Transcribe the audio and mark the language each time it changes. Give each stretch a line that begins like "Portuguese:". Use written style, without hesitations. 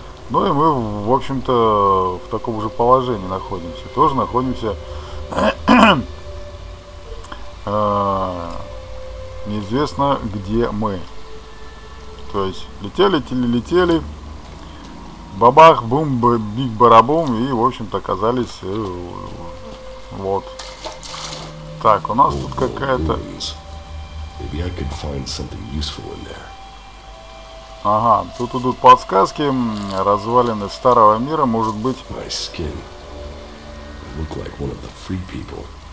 Russian: Ну и мы, в общем-то, в таком же положении находимся, тоже находимся неизвестно где мы. То есть летели, бабах, бум, биг, барабум, и, в общем-то, оказались вот так. У нас тут какая-то...
English: Maybe I could find something useful in there.
Russian: Ага, тут идут подсказки. Развалины старого мира, может быть.
English: My skin. I look like one of the free people.